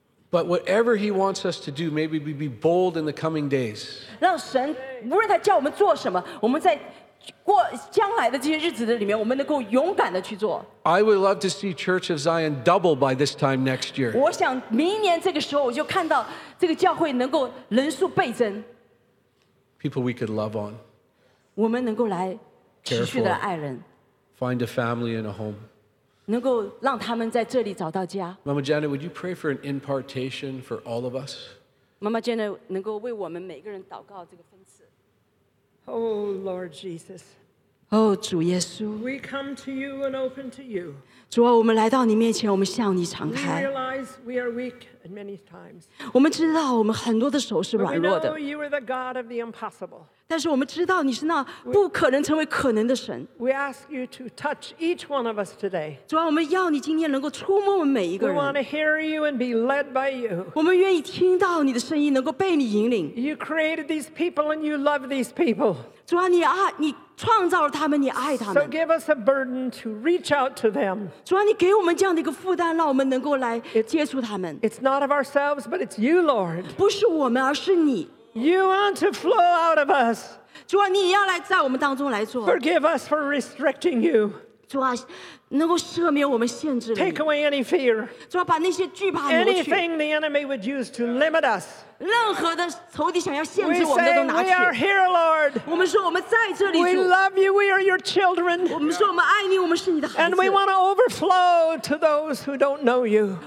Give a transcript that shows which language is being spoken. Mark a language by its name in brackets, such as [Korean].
[English] But whatever he wants us to do, maybe we be bold in the coming days. [Chinese] 让神,无论他叫我们做什么,我们在过将来的这些日子里面,我们能够勇敢地去做。 [English] I would love to see Church of Zion double by this time next year. [Chinese] 我想明年这个时候我就看到这个教会能够人数倍增。 [English] People we could love on. [Chinese] 我们能够来持续地爱人。 [English] Find a family and a home. [Chinese] 能够让他们在这里找到家。 [English] Mama Janet, would you pray for an impartation for all of us? [Chinese] Mama Janet, 能够为我们每个人祷告这个分赐。 [English] Oh, Lord Jesus. [Chinese] 哦,主耶稣, [English] we come to you and open to you. [Chinese] 主啊, 我们来到你面前, 我们向你敞开。 [English] We realize we are weak at many times. [Chinese] 我们知道我们很多的手是软弱的。 [English] But we know you are the God of the impossible. [Chinese] 但是我们知道你是那不可能成为可能的神。 [English] We ask you to touch each one of us today. [Chinese] 主啊, 我们要你今天能够触摸我们每一个人。 [English] We want to hear you and be led by you. [Chinese] 我们愿意听到你的声音, 能够被你引领。 [English] You created these people and you love these people. [Chinese] 主啊, 你创造了他们, 你爱他们。 [English] So give us a burden to reach out to them. [Chinese] 主啊, 你给我们这样的一个负担, 让我们能够来接触他们。 [English] It's not of ourselves, but it's you, Lord. [Chinese] 不是我们, 而是你。 [English] You want to flow out of us. [Chinese] 主啊, 你要来在我们当中来做。 [English] Forgive us for restricting you. [Chinese] 主啊, 能够赦免我们限制你。 [English] Take away any fear. [Chinese] 主啊, 把那些惧怕挪去。 [English] Anything the enemy would use to limit us. We say, we are here, Lord. We love you, we are your children. And we want to overflow to those who don't know you.